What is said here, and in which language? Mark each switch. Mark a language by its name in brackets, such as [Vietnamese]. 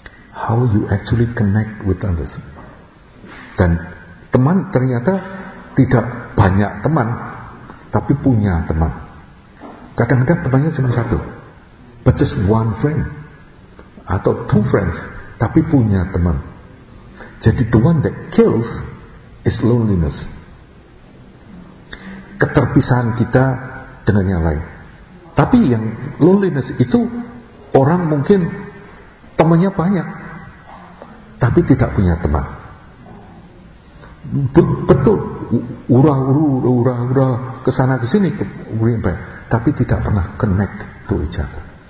[English] How you actually connect with others. [Indonesian] Dan teman ternyata tidak banyak teman, tapi punya teman. Kadang-kadang temannya cuma satu, [English] but just one friend [Indonesian] atau [English] two friends, [Indonesian] tapi punya teman. Jadi [English] the one that kills is loneliness. [Indonesian] Keterpisahan kita dengan yang lain. Tapi yang loneliness itu orang mungkin temannya banyak tapi tidak punya teman. Betul, ura-ura kesana kesini, tapi tidak pernah [English] connect to each other.